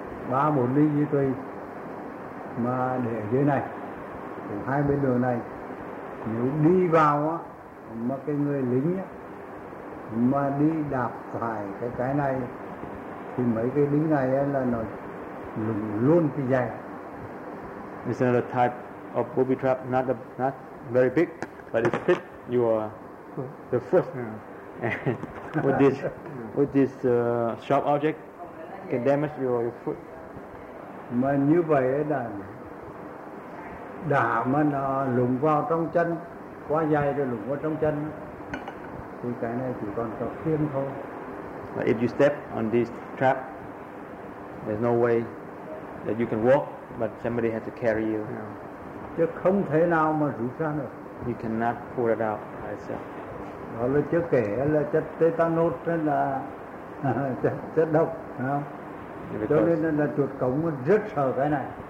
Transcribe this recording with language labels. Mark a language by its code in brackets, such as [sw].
[vi] Ba bốn đinh như tôi mà để dưới này cũng hai bên đường này. Nếu đi vào á mà cái người lính á mà đi đạp phải cái này thì mấy cái đinh này á là nó lủng luôn cái giày. [en] It's another type of booby trap, not very big, but it fit your the foot. Yeah. With this sharp object, can damage your foot. [vi] Mà như vậy là đã mà nó lủng vào trong chân, quá dài rồi lủng vào trong chân, thì cái này chỉ còn có khiêng thôi. [en] But if you step on this trap, there's no way that you can walk. But somebody has to carry you. [vi] Chứ không thể nào mà rút ra được. [en] You cannot pull it out by yourself. [vi] Đó là chưa kể là chất tetanus là chất độc, phải không? Cho nên là chuột cống rất sợ cái này.